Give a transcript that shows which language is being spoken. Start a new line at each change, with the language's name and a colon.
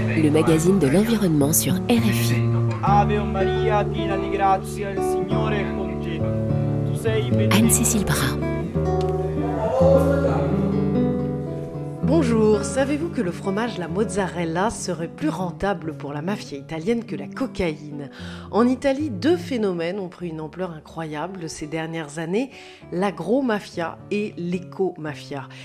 French: magazine de l'environnement sur RFI.
Italian: Ave Maria, piena di grazia, il Signore è con te. Tu sei benedetta.
French: Anne-Cécile Bras. Bonjour, savez-vous que le fromage la mozzarella serait plus rentable pour la mafia italienne que la cocaïne? En Italie, deux phénomènes ont pris une ampleur incroyable ces dernières années, l'agro-mafia et l'éco-mafia.